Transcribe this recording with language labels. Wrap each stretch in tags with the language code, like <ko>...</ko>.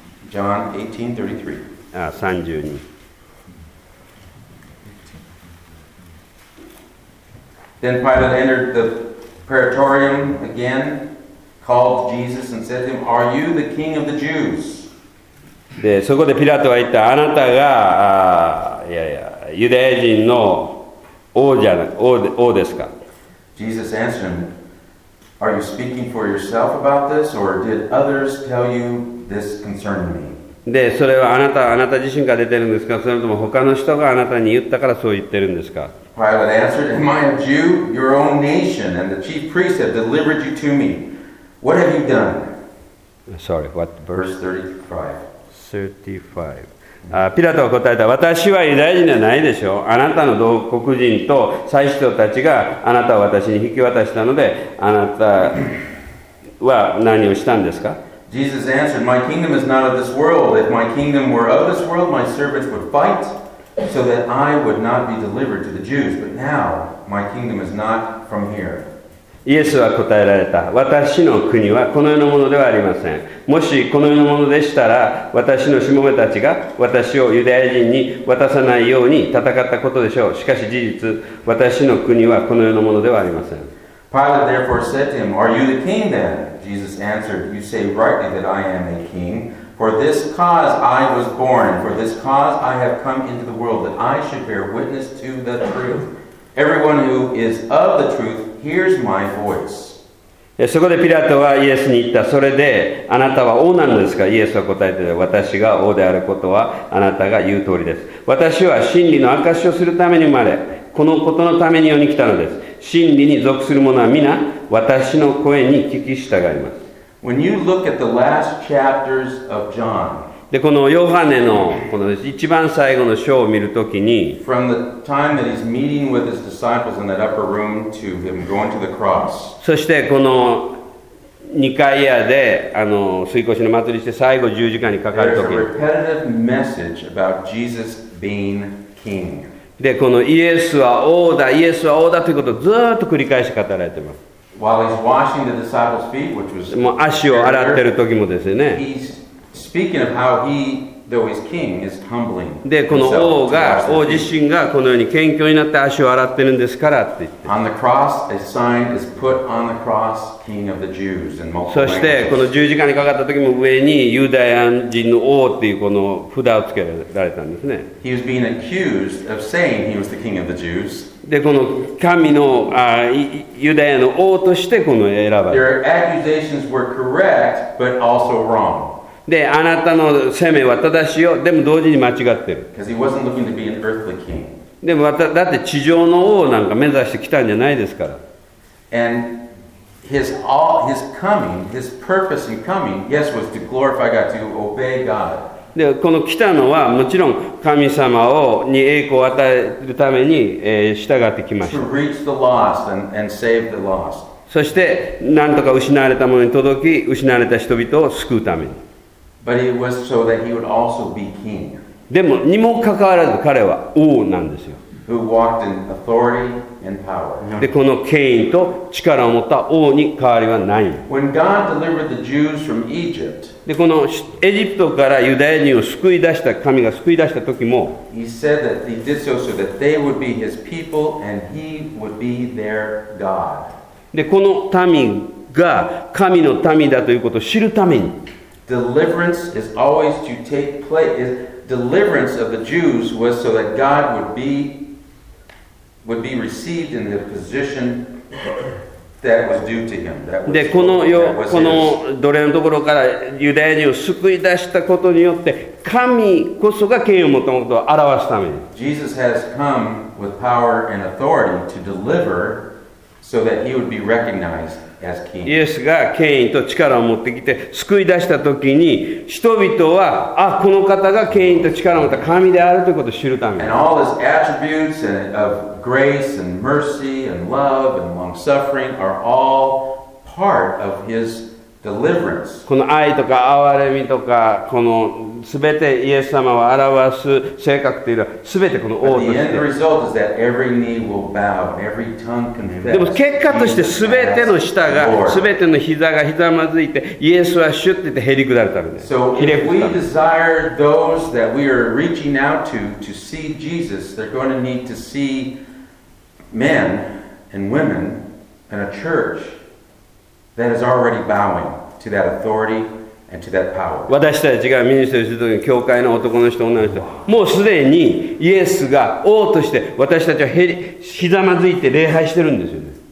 <en>John 18, 33.</en> <ja>ああ、32。</ja> <en>Then Pilate entered the praetorium again, called Jesus and said to him, Are you the king of the Jews?</en> <ja>で、そこでピラトは言った、あなたが、いやいや、ユダヤ人の王ですか?</ja> <en>Jesus answered him, Are you speaking for yourself about this, or did others tell you this concerning me?</en> <ja>で、それはあなた自身から出てるんですか?それとも他の人があなたに言ったからそう言ってるんですか?</ja> <en>Pilate answered, Am I a Jew? Your own nation and the chief priests have delivered you to me. What have you done? Sorry, what verse? Verse 35.</en> <ja>ピラトは答えた、私はユダヤ人ではないでしょう。あなたの同国人と祭司長たちがあなたを私に引き渡したので、あなたは何をしたんですか?</ja> <en>Jesus answered, My kingdom is not of this world. If my kingdom were of this world, my servants would fight. So that I would not be delivered to the Jews. But now, my kingdom is not from here.</en> <ja>イエスは答えられた。私の国はこの世のものではありません。もしこの世のものでしたら、私のしもべたちが私をユダヤ人に渡さないように戦ったことでしょう。しかし事実、私の国はこの世のものではありません。</ja> <en>Pilate therefore said to him, Are you the king then? Jesus answered, You say rightly that I am a king. For this cause I was born, for this cause I have come into the world, that I should bear witness to the truth. Everyone who is of the truth hears my voice.</en> <ja>そこでピラトはイエスに言った。それであなたは王なのですか？イエスは答えて、私が王であることはあなたが言う通りです。私は真理の証しをするために生まれ、このことのために世に来たのです。真理に属する者は皆私の声に聞き従います。</ja> <en>When you look at the last chapters of John,</en> <ja>でこのヨハネのこの一番最後の章を見るときに、</ja> <en>from the time that he's meeting with his disciples in that upper room to him going to the cross,</en> <ja>そしてこの二階屋で水越の祭りして最後十字架にかかるとき、</ja> <en>there's a repetitive message about Jesus being king.</en> <ja>でこのイエスは王だ、イエスは王だということをずっと繰り返し語られています。</ja> <en>While he's washing the disciples' feet, which was</en> <ja>もう足を洗っている時もですね、</ja> <en>he's speaking of how he, though he's king, is humbling.</en> <ja>でこの王が、王自身がこのように謙虚になって足を洗っているんですからって言って、</ja> <en>on the cross, a sign is put on the cross, king of the Jews, in multiple languages.</en> <ja>そしてこの十字架にかかった時も上にユダヤ人の王っていうこの札をつけられたんですね。</ja> <en>He was being accused of saying he was the king of the Jews.</en> <ja>でこの神のユダヤの王としてこの選ばれ、</ja> <en>their accusations were correct, but also wrong.</en> <ja>であなたの責めは正しいよ、でも同時に間違ってる。</ja> <en>Because he wasn't looking to be an earthly king.</en> <ja>でもだって地上の王なんか目指してきたんじゃないですから。</ja> <en>And his coming, his purpose in coming, yes, was to glorify God, to obey God.</en> <ja>でこの来たのはもちろん神様をに栄光を与えるために、従ってきました。</ja> <en>To reach the lost and save the lost.</en> <ja>そしてなんとか失われたものに届き、失われた人々を救うために。</ja> <en>But it was so that he would also be king.</en> <ja>でもにもかかわらず彼は王なんですよ。</ja> <en>Who walked in authority and power.</en> <ja>でこの権威と力を持った王に変わりはない。</ja> <en>When God delivered the Jews from Egypt,</en> <ja>でこのエジプトからユダヤ人を救い出した、神が救い出した時も、</ja> <en>He said that he did so so that they would be his people and he would be their God.</en> <ja>でこの民が神の民だということを知るために、</ja> <en>Deliverance is always to take place. Deliverance of the Jews was so that God would be received in the position.</en> <ja>でこのこの奴隷のところからユダヤ人を救い出したことによって、神こそが権威を持ったことを表すために。</ja> <en>Jesus has come with power and authority to deliver, so that he would be recognized as king.</en> <ja>イエスが権威と力を持ってきて救い出したときに、人々はこの方が権威と力を持った神であるということを知るために。</ja> <en>And all his attributes and of grace and mercy and love and long suffering are all part of his deliverance.</en> <ja>この愛とか憐れみとか、このすべてイエス様を表す性格というのはすべてこの王として。</ja> <en>But the end result is that every knee will bow and every tongue confess.</en> <ja>でも結果としてすべての舌が、すべての膝がひざまずいて、イエスは主って言ってへり下るためです。</ja> <en>So if we desire those that we are reaching out to see Jesus, they're going to need to see men and women and a church that is already bowing to that authority. And to that power.</en> <ja>私たちがミニストリーするときに、教会の男の人、女の人、もうすでにイエスが王として私たちはひざまずいて礼拝してるんですよね。</ja>